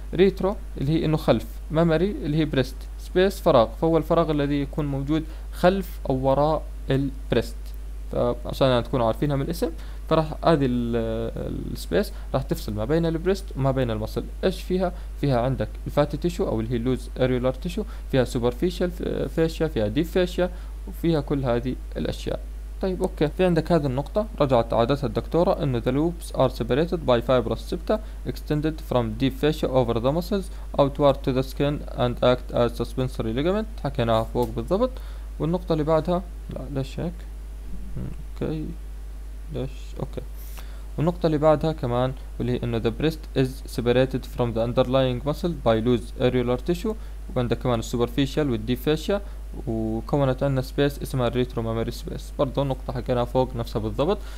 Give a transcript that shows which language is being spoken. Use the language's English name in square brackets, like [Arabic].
[Arabic] ريترو اللي هي انه خلف، ماماري اللي هي بريست، سبيس فراغ، فهو الفراغ الذي يكون موجود خلف او وراء البريست. فعشان تكونوا عارفينها من الاسم، فراح هذه السبيس راح تفصل ما بين البريست وما بين المصل. ايش فيها؟ فيها عندك الفاتي تيشو او اللي هي لوز اريولار تيشو، فيها سوبرفيشال فيشيا، فيها ديب فيشيا، وفيها كل هذه الاشياء. طيب اوكي، في عندك هذه النقطة رجعت عادتها الدكتورة انه [English] the loops are separated by fibrous septa extended from deep fascia over the muscles outward to the skin and act as suspensory ligament. [Arabic] حكيناها فوق بالضبط. والنقطة اللي بعدها، لا ليش هيك؟ اوكي ليش؟ اوكي. والنقطة اللي بعدها كمان، واللي هي انه [English] the breast is separated from the underlying muscle by loose areolar tissue، [Arabic] وعندك كمان السوبرفيشال والديب فاشيا، وكونت عندنا سبيس اسمها الريترو ماماري سبيس، برضه نقطة حكيناها فوق نفسها بالضبط.